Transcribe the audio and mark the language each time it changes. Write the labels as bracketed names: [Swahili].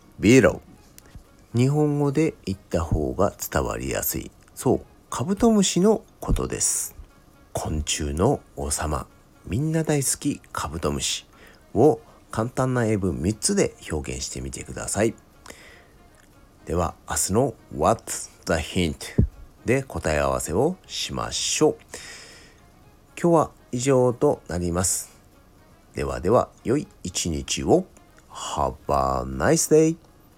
[Japanese] ビーロー。日本語で言った方が伝わりやすい。そう、カブトムシのことです。昆虫の王様、みんな大好きカブトムシを簡単な英文3つで表現してみてください。では明日の [English] What's the hint? [Japanese] で答え合わせをしましょう。今日は以上となります。ではでは、良い一日を。 [English] Have a nice day!